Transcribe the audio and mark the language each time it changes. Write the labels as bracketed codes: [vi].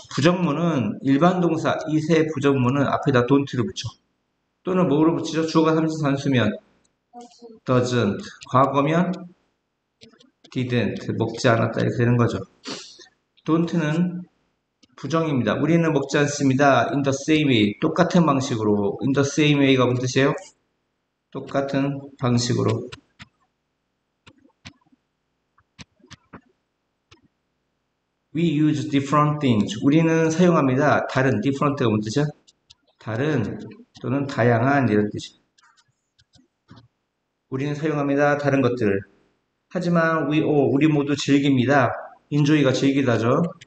[ko] 부정문은 일반 동사, it의 부정문은 앞에다 don't를 붙여. 또는 뭐로 붙이죠? 주어가 3인칭 단수면 doesn't. 과거면 didn't. 먹지 않았다. 이렇게 되는 거죠. Don't는 부정입니다. 우리는 먹지 않습니다. [en] In the same way. [ko] 똑같은 방식으로. [en] In the same way [ko] 가 무슨 뜻이에요? 똑같은 방식으로. [en] We use different things. [ko] 우리는 사용합니다. 다른, different가 무슨 뜻이야? 다른 또는 다양한 이런 뜻이야. 우리는 사용합니다. 다른 것들. 하지만 우리 모두 즐깁니다. Enjoy가 즐기다죠.